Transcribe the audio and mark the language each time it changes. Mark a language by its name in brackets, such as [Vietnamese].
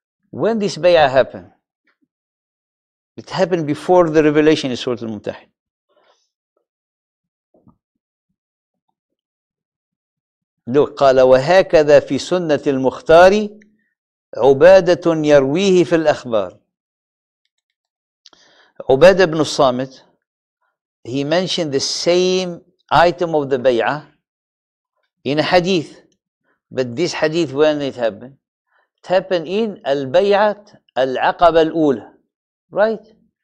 [English] When this bay'ah happened? It happened before the revelation in Surah Al-Mumtahin. [Arabic] لو قال وهكذا في سنة المختار عبادة يرويه في الأخبار. [English] عبادة بن الصامت, he mentioned the same item of the bay'ah in a hadith, but this hadith when it happened, it happened in al-bay'at al-aqaba al-ula, right?